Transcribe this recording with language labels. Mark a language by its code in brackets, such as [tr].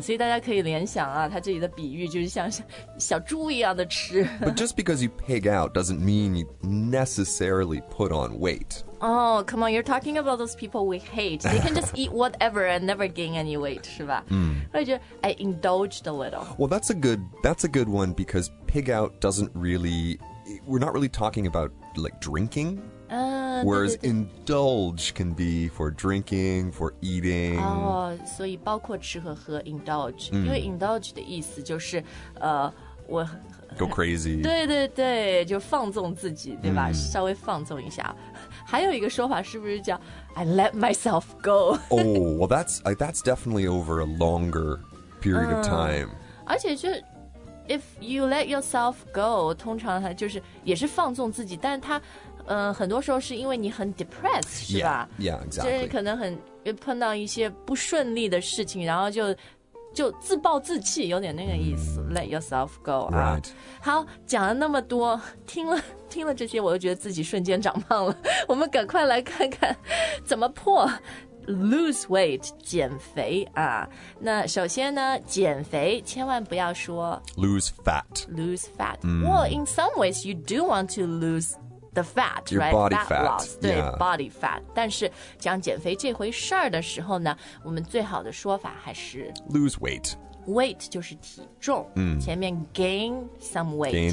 [zh] 所以大家可以联想啊，它这里的比喻就是像小猪一样的吃 [en] but just because you pig out doesn't mean you necessarily put on weight Oh, come on, you're talking about those people we hate. They can just eat whatever and never gain any weight, [zh] 是吧、 mm. [en] I indulged a little. Well, that's a good one because pig out doesn't really, we're not really talking about like drinking. Whereas indulge can be for drinking, for eating. [zh] Oh, 所以包括吃和喝 indulge.、Mm. 因为 indulge 的意思就是、我 [en] Go crazy. [zh] 对对对，就放纵自己，对吧？ Mm. 稍微放纵一下。还有一个说法是不是叫 I let myself go? [en] Oh, well, that's definitely over a longer period of time. [zh] 而且就 [en] if you let yourself go, [zh] 通常它就是也是放纵自己，但它、很多时候是因为你很 depressed, 是吧？ [en] Yeah, exactly. [zh] 就是可能很碰到一些不顺利的事情，然后就。就自暴自弃有点那个意思、mm. [en] Let yourself go、 right. [zh] 好讲了那么多听了这些我就觉得自己瞬间长胖了我们赶快来看看怎么破 Lose weight 减肥啊。那首先呢减肥千万不要说 [en] Lose fat、 mm. Well in some ways you do want to lose the fat Your、 right? body fat loss,、 yeah. [zh] 对 body fat 但是讲减肥这回事儿的时候呢我们最好的说法还是 [en] Lose weight [zh] Weight 就是体重、 mm. 前面 gain some weight